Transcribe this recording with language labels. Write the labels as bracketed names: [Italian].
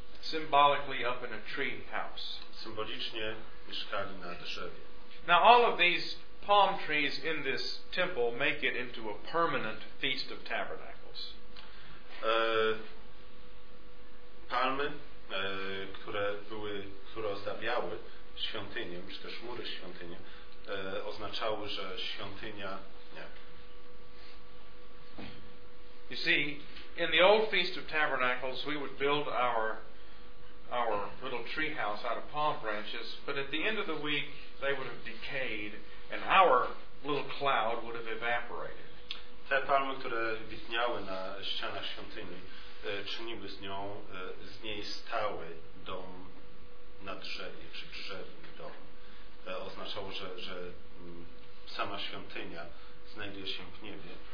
[English] Symbolically up in a tree house. [Polish] Symbolicznie mieszkali na drzewie. [English] Now all of these palm trees in this temple make it into a permanent feast of tabernacles. [Polish] Palmy, które były, które ozdabiały świątynię, czy też mury świątyni, oznaczały, że świątynia nie. [English] You see, in the old feast of tabernacles, we would build our little tree house out of palm branches, but at the end of the week they would have decayed and our little cloud would have evaporated. [Polish] Te palmy, które widniały na ścianach świątyni, czyniły z niej stały dom na drzewie, czy drzewny dom. Oznaczało, że sama świątynia znajduje się w niebie.